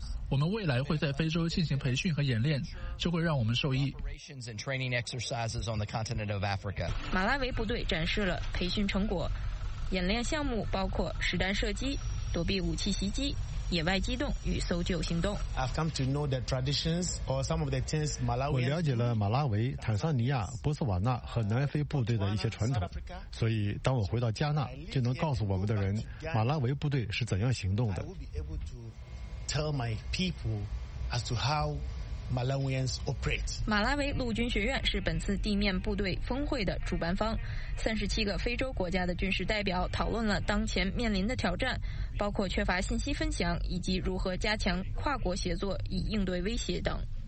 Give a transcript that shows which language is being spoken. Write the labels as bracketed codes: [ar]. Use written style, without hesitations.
[zh] 我们未来会在非洲进行培训和演练，这会让我们受益。马拉维部队展示了培训成果，演练项目包括实弹射击、躲避武器袭击、野外机动与搜救行动。 [en] I've come to know the traditions or some of the things Malawi. [zh] 我了解了马拉维、坦桑尼亚、波斯瓦纳和南非部队的一些传统，所以当我回到加纳，就能告诉我们的人，马拉维部队是怎样行动的。 [en] Tell my people as to how Malawians operate. [zh] 马拉维陆军学院是本次地面部队峰会的主办方，37个非洲国家的军事代表讨论了当前面临的挑战，包括缺乏信息分享以及如何加强跨国协作以应对威胁等。